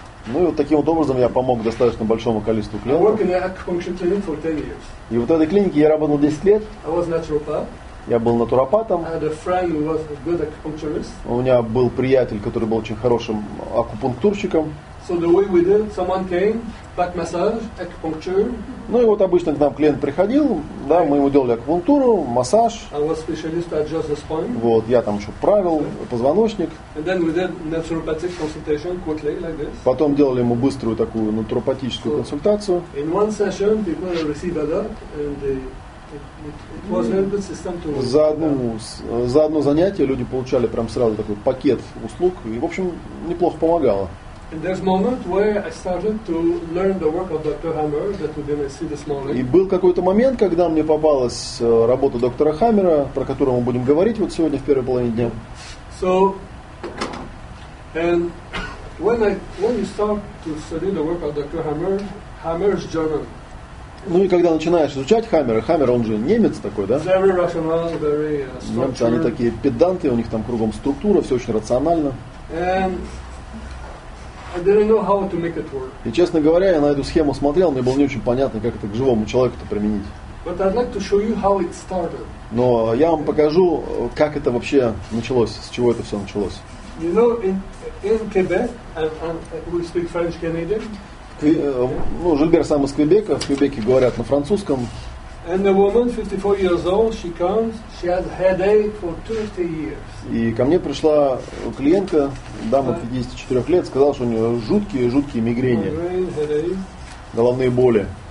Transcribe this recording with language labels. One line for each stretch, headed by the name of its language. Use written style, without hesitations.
Russian: Ну и вот таким вот образом я помог достаточно большому количеству клиентов.
English: I work in acupuncture clinic for 10 years.
Russian: И вот в этой клинике я работал 10 лет.
English: I was naturopath.
Russian: Я был натуропатом.
English: I had a friend who was a good acupuncturist.
Russian: У меня был приятель, который был очень хорошим акупунктурщиком.
English: So the way we did, someone came, back massage, acupuncture.
Russian: Ну и вот обычно к нам клиент приходил, да, мы ему делали акупунктуру, массаж.
English: I was specialist to adjust the spine.
Russian: Вот, я там еще правил позвоночник.
English: And then we did naturopathic consultation quickly, like this.
Russian: Потом делали ему быструю такую натуропатическую консультацию.
English: In one session, people received a lot, and it was a good system to work.
Russian: За одно занятие люди получали прям сразу такой пакет услуг, и, в общем, неплохо помогало.
English: And there's a moment where I started to learn the work of Dr. Hammer that we're going to see this morning.
Russian: И был какой-то момент, когда мне попалась работа доктора Хаммера, про которую мы будем говорить вот сегодня в первой половине дня.
English: So, and when you start to study the work of Dr. Hammer, Hammer's German.
Russian: Ну и когда начинаешь изучать Хаммера, Хаммер, он же немец такой, да?
English: Very rational, very
Russian: немцы, они такие педанты, у них там кругом структура, все очень рационально.
English: And I didn't know how to make it work.
Russian: И, честно говоря, я на эту схему смотрел, мне было не очень понятно, как это к живому человеку-то применить.
English: But I'd like to show you how it started.
Russian: Но я вам покажу, как это вообще началось, с чего это все началось.
English: You know, in Quebec, and we speak French Canadian.
Russian: Ну, Жильбер сам из Квебека, в Квебеке говорят на французском.
English: And a woman, 54 years old, she comes, she has headache for 20 years.
Russian: И ко мне пришла клиентка, дама 54 лет, сказала, что у нее жуткие мигрени, головные боли.